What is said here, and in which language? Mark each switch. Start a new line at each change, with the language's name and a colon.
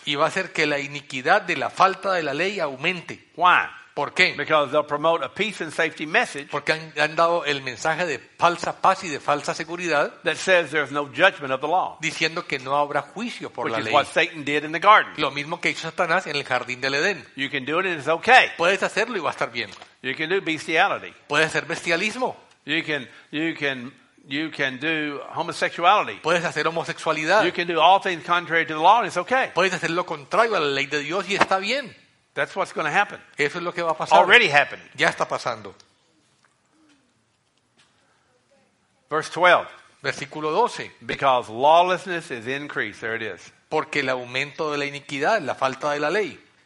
Spanish: y va a hacer que la iniquidad de la falta de la ley aumente.
English: Why?
Spanish: ¿Por qué?
English: Because they'll promote a peace and safety message.
Spanish: Porque han dado el mensaje de falsa paz y de falsa seguridad.
English: That says there's no judgment of the law.
Spanish: Diciendo que no habrá juicio por la ley.
English: Which is what Satan did in the garden.
Spanish: Lo mismo que hizo Satanás en el jardín del Edén.
English: You can do it and it's okay.
Spanish: Puedes hacerlo y va a estar bien.
English: You can do bestiality.
Spanish: Puedes hacer bestialismo.
English: You can do homosexuality.
Spanish: Puedes hacer homosexualidad.
English: You can do all things contrary to the law and it's okay.
Spanish: Puedes hacer lo contrario a la ley de Dios y está bien.
English: That's what's going to happen.
Spanish: Eso es lo que va a pasar.
English: Already happened.
Spanish: Ya está pasando.
English: Verse 12.
Spanish: Versículo 12.
English: Because lawlessness is increased. There it is.
Spanish: Porque el aumento de la iniquidad, la falta de la ley.